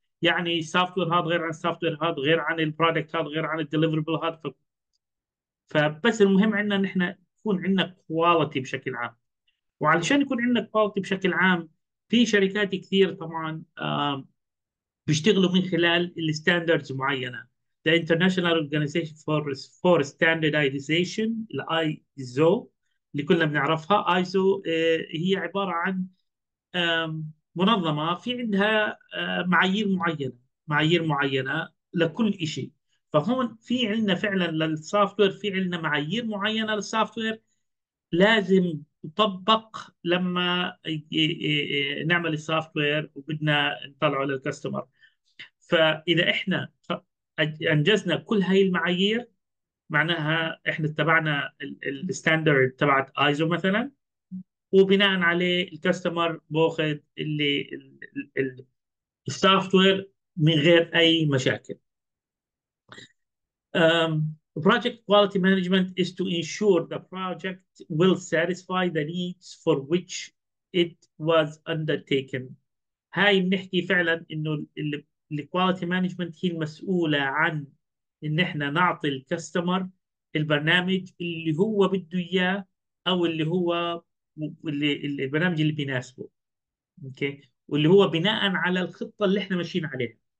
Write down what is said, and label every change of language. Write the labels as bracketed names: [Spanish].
[Arabic] يعني سوفت وير هذا غير عن سوفت وير هذا، غير عن البرودكت هذا غير عن الديليفربل هذا. فبس المهم عندنا ان احنا يكون عندنا كواليتي بشكل عام. وعلشان يكون عندنا كواليتي بشكل عام، في شركات كثير طبعا بيشتغلوا من خلال الستاندردز معينه. [English] The International Organization for Standardization ISO [Arabic] اللي كلنا بنعرفها. ISO هي عباره عن منظمه في عندها معايير معينه، معايير معينه لكل شيء. فهون في عندنا فعلا للسوفت وير في عندنا معايير معينه للسوفت وير لازم تطبق لما نعمل السوفت وير وبدنا نطلعه للكاستمر. فاذا احنا انجزنا كل هاي المعايير معناها احنا اتبعنا الستاندرد تبعت ايزو مثلا، وبناء عليه الكاستمر باخذ اللي السوفت وير من غير اي مشاكل. [English] Project quality management is to ensure the project will satisfy the needs for which it was undertaken. [Arabic] هاي بنحكي فعلا انه ال quality management هي المسؤولة عن ان احنا نعطي الكاستمر البرنامج اللي هو بده اياه، او اللي هو اللي البرنامج اللي بيناسبه. اوكي، واللي هو بناء على الخطة اللي احنا ماشيين عليها.